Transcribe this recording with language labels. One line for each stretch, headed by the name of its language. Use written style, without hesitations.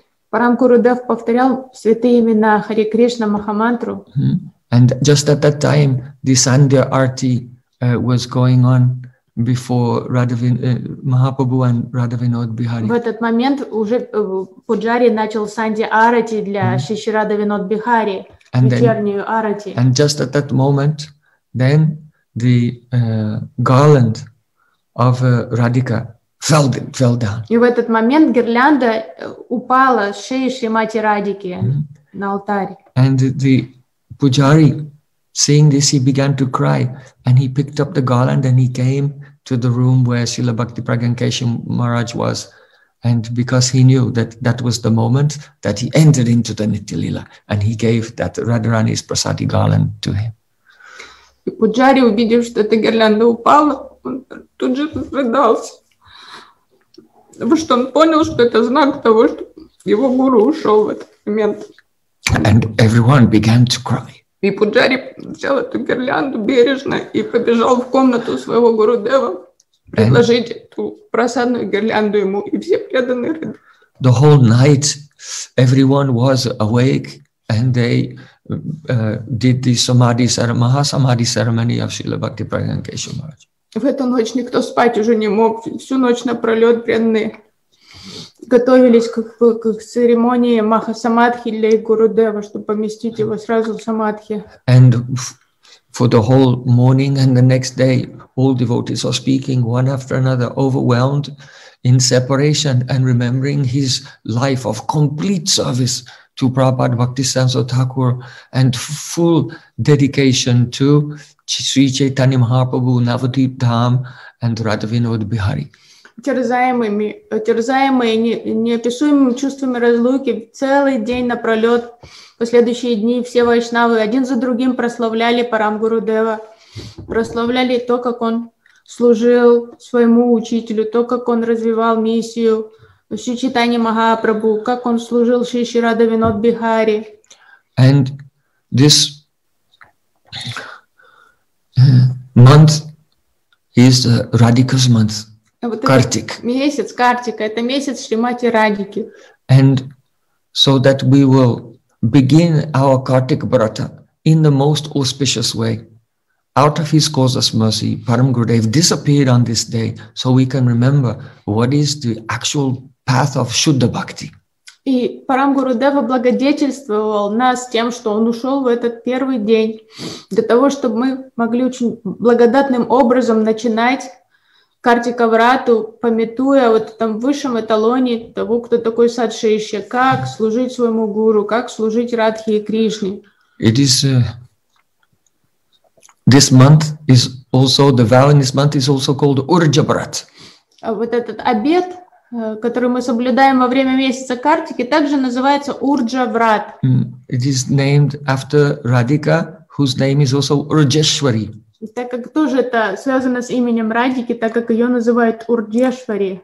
Russian: Парам Гурудев повторял святые имена Хари Кришна Махамантру. Mm-hmm.
English: And just at that time, the Sandhya Arti was going on before Mahaprabhu and Radhavinod Bihari.
Russian: В этот момент уже Пуджари начал Sandhya Arati для Шиши Радхавинод Бихари, вечернюю Arati.
English: And just at that moment, then the garland of Radhika fell down.
Russian: И в этот момент гирлянда упала с шеи Шримати Радики на алтарь.
English: And the Pujari, seeing this, he began to cry, and he picked up the garland and he came to the room where Srila Bhakti Pragyan Kesham Maharaj was, and because he knew that that was the moment that he entered into the Nityalila, and he gave that Radharani's Prasadi garland to him.
Russian: Pujari, увидев, что эта гирлянда упала, он тут же разрыдался, потому что он понял, что это знак того, что его гуру ушел в этот момент.
English: And everyone began to cry.
Russian: И Пуджари взял эту гирлянду бережно и побежал в комнату своего гурудева предложить эту просадную гирлянду ему, и все преданные рыдали.
English: The whole night, everyone was awake, and they did the samadhi ceremony, mahasamadhi ceremony of Srila Bhakti Pragyan Kesha Maharaj.
Russian: В эту ночь никто спать уже не мог, всю ночь напролет преданные готовились к церемонии Махасамадхи для Гурудева, чтобы поместить его сразу в самадхи.
English: And for the whole morning and the next day, all devotees are speaking one after another, overwhelmed in separation and remembering his life of complete service to Prabhupada Bhaktisiddhanta Thakur and full dedication to Sri Chaitanya Mahaprabhu, Navadvip Dham and Radhavinod Bihari.
Russian: Терзаемые неописуемыми чувствами разлуки, целый день напролет, последующие дни все вайшнавы один за другим прославляли Парам Гурудева, прославляли то, как он служил своему учителю, то, как он развивал миссию Шри Чайтанья Махапрабху, как он служил Шри Шри Радхавинод Бихари.
English: And this month is Radhika's month. Kartik.
Russian: Месяц Картика, это месяц Шримати Радики.
English: And so that we will begin our Kartika-Vrata in the most auspicious way. Out of his causeless mercy, Param Gurudev disappeared on this day, so we can remember what is the actual path of Shuddha Bhakti.
Russian: И Парам Гурудева благодетельствовал нас тем, что он ушел в этот первый день, для того, чтобы мы могли очень благодатным образом начинать Kartika-Vrata, памятуя вот там высшем эталоне того, кто такой садшейшья, как служить своему гуру, как служить Радхе и Кришне.
English: It is this month is also the valiant month is also called Urja-Vrata.
Russian: Вот этот обед, который мы соблюдаем во время месяца Картики, также называется Урджа-Врат.
English: It is named after Radhika, whose name is also Urjeshwari.
Russian: Так как тоже это связано с именем Радики, так как ее называют Урджешвари.